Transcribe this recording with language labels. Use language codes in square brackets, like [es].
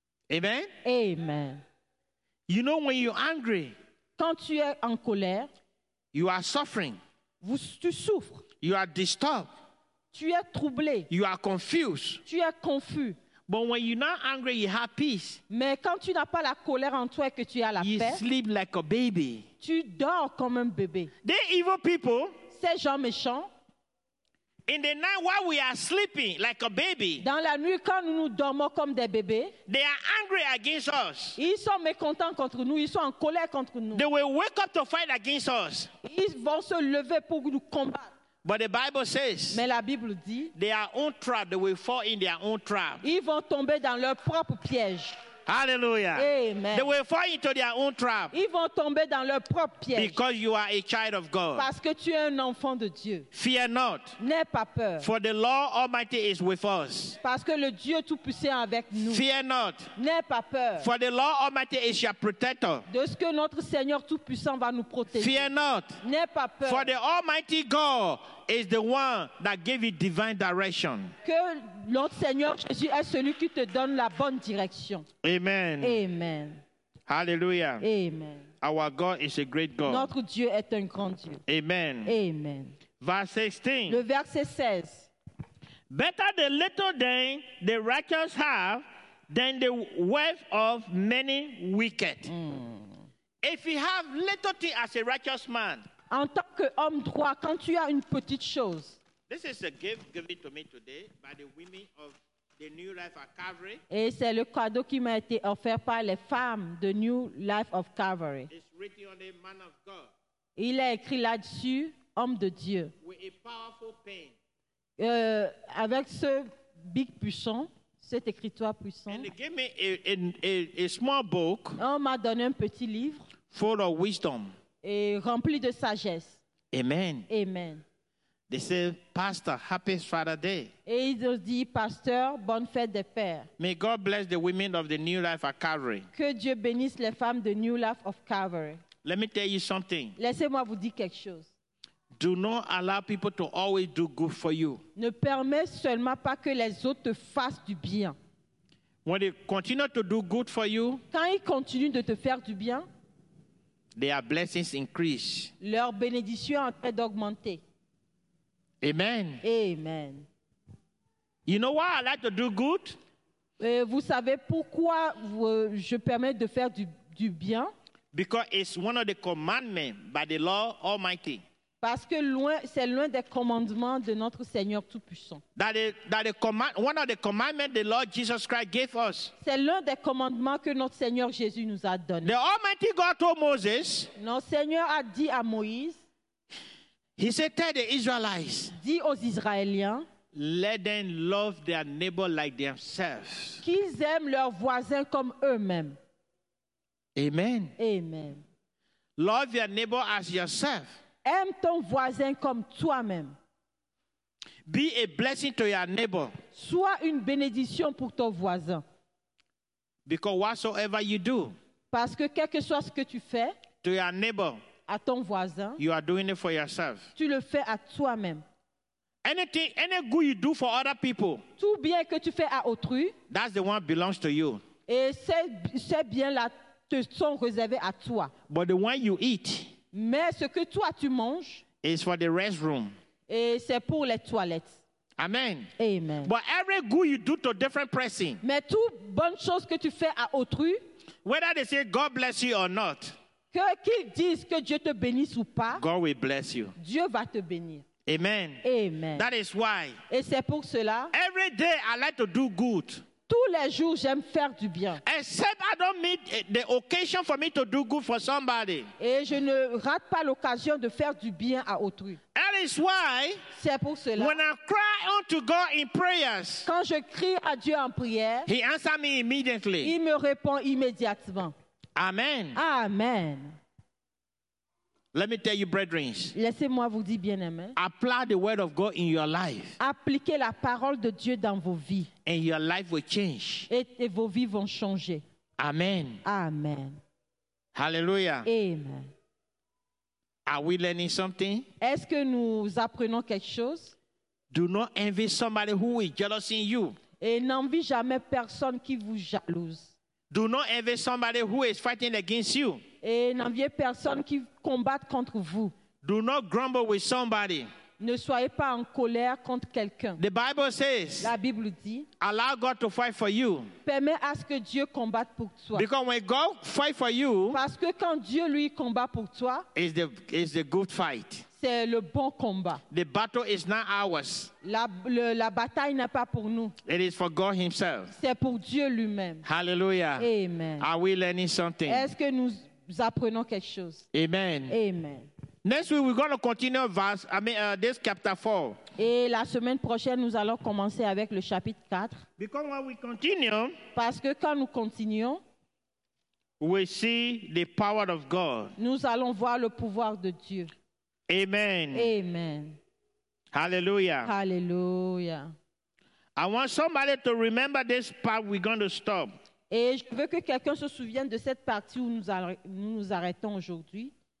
[en] Amen? Amen. You know, when you're angry, [fr] quand tu es en colère, [en] you are suffering. [fr] Tu souffres. [en] You are disturbed. [fr] Tu es troublé. [en] You are confused. [fr] Tu es confus. [en] But when you're not angry, you have peace. [fr] Mais quand tu n'as pas la colère en toi et que tu as la [en] you [fr] paix, [en] you sleep like a baby. [fr] Tu dors comme un bébé. [en] The evil people, [fr] ces gens méchants, [en] in the night while we are sleeping like a baby, [fr] dans la nuit quand nous nous dormons comme des bébés, [en] they are angry against us. [fr] Ils sont mécontents contre nous. Ils sont en colère contre nous. [en] They will wake up to fight against us. [fr] Ils vont se lever pour nous combattre. [en] But the Bible says, [fr] mais la Bible dit, [en] they are on trap. They will fall in their own trap. [fr] Ils vont tomber dans leur propre piège. Hallelujah. Amen. [en] They will fall into their own trap. [fr] Ils vont tomber dans leur propre piège. [en] Because you are a child of God. [fr] Parce que tu es un enfant de Dieu. [en] Fear not. [fr] N'aie pas peur. [en] For the Lord Almighty is with us. [fr] Parce que le Dieu Tout-Puissant est avec nous. [en] Fear not. [fr] N'aie pas peur. [en] For the Lord Almighty is your protector. [fr] De ce que notre Seigneur Tout-Puissant va nous protéger. [en] Fear not. [fr] N'aie pas peur. [en] For the Almighty God is the one that gave you divine direction. [fr] Que notre Seigneur Jésus est celui qui te donne la bonne direction. Amen. Amen. Hallelujah. Amen. [en] Our God is a great God. [fr] Notre Dieu est un grand Dieu. Amen. Amen. [en] Verse 16. [fr] Le verset 16. [en] Better the little thing the righteous have than the wealth of many wicked. Mm. If you have little thing as a righteous man, [fr] en tant qu'homme droit, quand tu as une petite chose. [en] This is a gift given to me today by the women of the New Life of Calvary. [fr] Et c'est le cadeau qui m'a été offert par les femmes de New Life of Calvary. [en] It's written on the man of God. [fr] Il est écrit là-dessus, homme de Dieu. [en] With a powerful pen. [fr] Avec ce big puissant. Cet écritoire puissant. [en] And they gave me a small book. [fr] On m'a donné un petit livre. [en] Full of wisdom. [fr] Et rempli de sagesse. Amen. Amen. [en] They say, Pastor, happy Father Day. [fr] Et ils ont dit, Pasteur, bonne fête des pères. [en] May God bless the women of the New Life of Calvary. [fr] Que Dieu bénisse les femmes de New Life of Calvary. [en] Let me tell you something. [fr] Laissez-moi vous dire quelque chose. [en] Do not allow people to always do good for you. [fr] Ne permets seulement pas que les autres te fassent du bien. [en] When they continue to do good for you, [fr] quand ils continuent de te faire du bien, [en] their blessings increase. [fr] Leur bénédiction est en train d'augmenter. Amen. Amen. [en] You know why I like to do good? [fr] Vous savez pourquoi je permets de faire du bien? [en] Because it's one of the commandments by the Lord Almighty. [fr] Parce que c'est l'un des commandements de notre Seigneur Tout-Puissant. [en] One of the commandments the Lord Jesus Christ gave us. [fr] C'est l'un des commandements que notre Seigneur Jésus nous a donné. [en] The Almighty God told Moses. [fr] Notre Seigneur a dit à Moïse. [en] He said, tell the Israelites. [fr] Dit aux Israéliens. [en] Let them love their neighbor like themselves. [fr] Qu'ils aiment leurs voisins comme eux-mêmes. Amen. Amen. [en] Love your neighbor as yourself. [fr] Aime ton voisin comme toi-même. [en] Be a blessing to your neighbor. [fr] Sois une bénédiction pour ton voisin. [en] Because whatsoever you do, [fr] parce que quel que soit ce que tu fais, [en] to your neighbor, [fr] à ton voisin, [en] you are doing it for yourself. [fr] Tu le fais à toi-même. [en] Anything, any good you do for other people, [fr] tout bien que tu fais à autrui, [en] that's the one that belongs to you. [fr] Et c'est bien là te sont réservés à toi. [en] But the one you eat, [fr] mais ce que toi tu manges, [en] it's for the restroom. [fr] Et c'est pour les toilettes. Amen. Amen. [en] But every good you do to different person, [fr] mais toute bonne chose que tu fais à autrui, [en] whether they say God bless you or not, [fr] que qu'ils disent que Dieu te bénisse ou pas, [en] God will bless you. [fr] Dieu va te bénir. Amen. Amen. [en] That is why. [fr] Et c'est pour cela. [en] Every day I like to do good. [fr] Tous les jours, j'aime faire du bien. [en] Except I don't meet the occasion for me to do good for somebody. [fr] Et je ne rate pas l'occasion de faire du bien à autrui. [en] That is why. [fr] C'est pour cela. [en] When I cry unto God in prayers. [fr] Quand je crie à Dieu en prière. [en] He answers me immediately. [fr] Il me répond immédiatement. Amen. Amen. [en] Let me tell you, brethren. [fr] Laissez-moi vous dire, bien-aimés. [en] Apply the word of God in your life. [fr] Appliquez la parole de Dieu dans vos vies. [en] And your life will change. [fr] Et vos vies vont changer. Amen. Amen. Hallelujah. Amen. [en] Are we learning something? [fr] Est-ce que nous apprenons quelque chose? [en] Do not envy somebody who is jealous in you. [fr] Et n'envie jamais personne qui vous jalouse. [en] Do not envy somebody who is fighting against you. [fr] Et n'enviez personne qui combatte contre vous. [en] Do not grumble with somebody. [fr] Ne soyez pas en colère contre quelqu'un. [en] The Bible says, [fr] la Bible dit, [en] allow God to fight for you. [fr] Permet à ce que Dieu combatte pour toi. [en] Because when God fight for you, [fr] parce que quand Dieu lui combat pour toi, [en] is the good fight. [fr] C'est le bon combat. [en] The battle is not ours. [fr] La bataille n'est pas pour nous. [en] It is for God himself. [fr] C'est pour Dieu lui-même. Hallelujah. Amen. [en] Are we learning something? [fr] Est-ce que nous apprenons quelque chose? Amen. Amen. [en] Next week we're going to continue this chapter 4. [fr] Et la semaine prochaine nous allons commencer avec le chapitre 4. [en] Because when we continue, [fr] parce que quand nous continuons, [en] we see the power of God. [fr] Nous allons voir le pouvoir de Dieu. Amen. Amen. Hallelujah. Hallelujah. [en] I want somebody to remember this part we're going to stop. [fr] Et je veux que quelqu'un se souvienne de cette partie où nous arrêtons aujourd'hui.